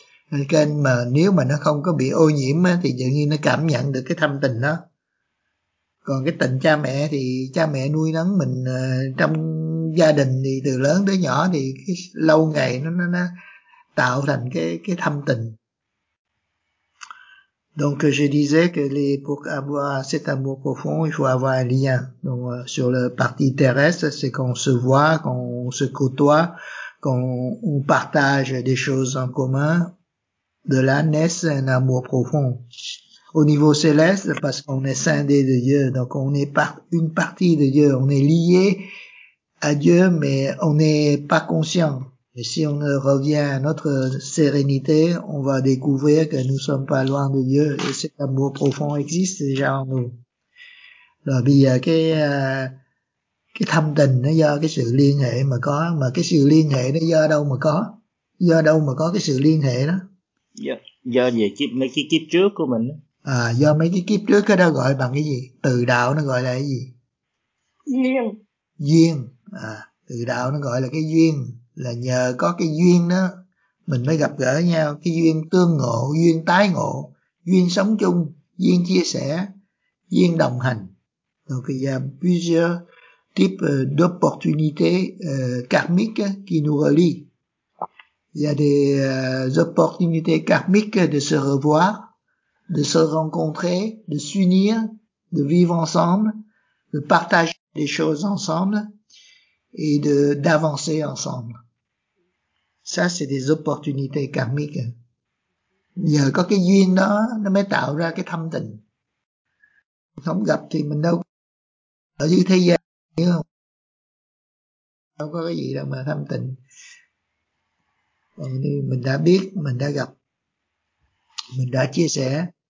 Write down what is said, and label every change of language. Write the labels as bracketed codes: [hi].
[vi] Nên mà nếu mà nó không có bị ô nhiễm á, thì tự nhiên nó cảm nhận được cái thâm tình đó. Còn cái tình cha mẹ thì cha mẹ nuôi nấng mình trong gia đình thì từ lớn tới nhỏ, thì cái lâu ngày nó tạo thành cái thâm tình. [fr] Donc je disais que les, pour avoir cet amour profond, il faut avoir un lien. Donc sur la partie terrestre, c'est qu'on se voit, qu'on se côtoie, qu'on partage des choses en commun. De là naît un amour profond. Au niveau céleste, parce qu'on est scindé de Dieu, donc on est une partie de Dieu, on est lié à Dieu, mais on n'est pas conscient. Et si on revient à notre sérénité, on va découvrir que nous sommes pas loin de Dieu, et cet amour profond existe déjà en nous. [vi] Rồi bây giờ cái thâm tình nó do cái sự liên hệ mà có, mà cái sự liên hệ nó do đâu mà có? Do đâu mà có cái sự liên hệ đó? Do về mấy cái kiếp trước của mình đó. À, do mấy cái kiếp trước đó gọi bằng cái gì? Từ đạo nó gọi là cái gì? Duyên. Duyên. À, từ đạo nó gọi là cái duyên. Là nhờ có cái duyên đó, mình mới gặp gỡ nhau. Cái duyên tương ngộ, duyên tái ngộ, duyên sống chung, duyên chia sẻ, duyên đồng hành. [fr] Donc il y a plusieurs types d'opportunités karmiques qui nous relient. Il y a des opportunités karmiques de se revoir, de se rencontrer, de s'unir, de vivre ensemble, de partager des choses ensemble et d'avancer ensemble. Ça, c'est des opportunités karmiques. [vi] Nhờ có cái duyên đó, nó mới tạo ra cái thâm tình. Không gặp thì mình đâu ở dưới thế gian, hiểu không? Đâu có cái gì đâu mà thâm tình. Còn mình đã biết, mình đã gặp, mình đã chia sẻ.